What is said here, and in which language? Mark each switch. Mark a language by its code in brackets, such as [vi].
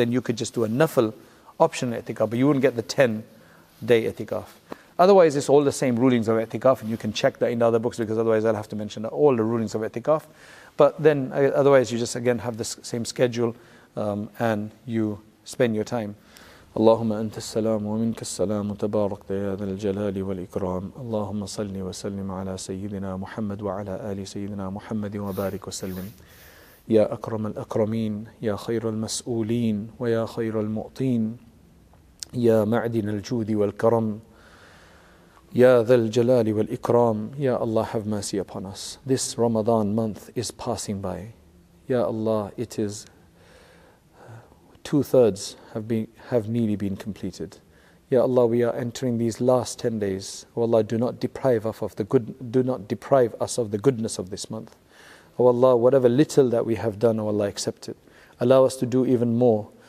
[en] Then you could just do a nafil optional i'tikaf, but you wouldn't get the 10-day i'tikaf. Otherwise, it's all the same rulings of i'tikaf, and you can check that in the other books, because otherwise I'll have to mention all the rulings of i'tikaf. But then, otherwise, you just again have the same schedule and you spend your time. [ar] اللهم أنت السلام ومنك السلام تبارك يا ذا الجلال والإكرام اللهم صلِّ وسلِّم على سيدنا محمد وعلى آل سيدنا محمد وبارك وسلم يا أكرم الأكرمين يا خير المسؤولين ويا خير المعطين يا معدن الجود والكرم يا ذا الجلال والإكرام يا الله [en] have mercy upon us. This Ramadan month is passing by. يا الله it is 2/3 have nearly been completed. Ya Allah, we are entering these last 10 days. Oh Allah, do not deprive us of the goodness of this month. Oh Allah, whatever little that we have done, oh Allah, accept it. Allow us to do even more.